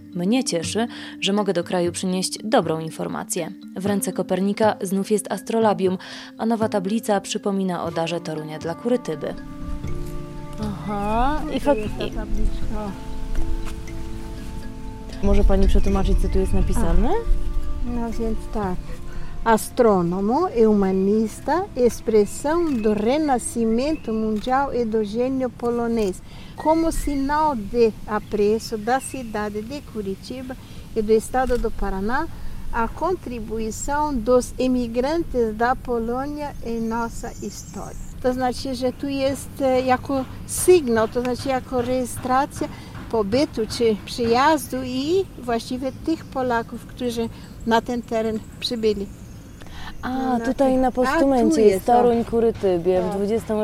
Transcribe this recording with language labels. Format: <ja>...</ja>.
<pl>Mnie cieszy, że mogę do kraju przynieść dobrą informację. W ręce Kopernika znów jest astrolabium, a nowa tablica przypomina o darze Torunia dla Kurytyby. Aha, i faktycznie. Może pani przetłumaczyć, co tu jest napisane? No więc tak.</pl> <pt>astrônomo e humanista, expressão do renascimento mundial e do gênio polonês, como sinal de apreço da cidade de Curitiba e do estado do Paraná à contribuição dos imigrantes da Polônia em nossa história.</pt> <pl>To znaczy, że tu jest jako sygnał, to znaczy jako rejestracja pobytu czy przyjazdu i właściwie tych Polaków, którzy na ten teren przybyli. A, no, tutaj na postumencie jest Toruń Kurytybie w 20.</pl>